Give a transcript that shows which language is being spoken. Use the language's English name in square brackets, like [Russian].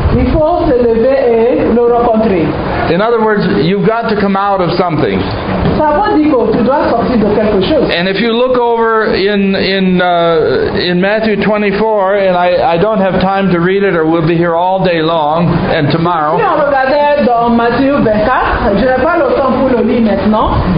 [French] Il faut se lever et le rencontrer. [English] In other words, you've got to come out of something. [French] Ça veut dire que tu dois sortir de quelque chose. [English] And if you look over in Matthew 24, and I don't have time to read it, or we'll be here all day long and tomorrow. [French] Si on regardait dans Matthieu 24, je n'ai pas le temps pour le lire maintenant.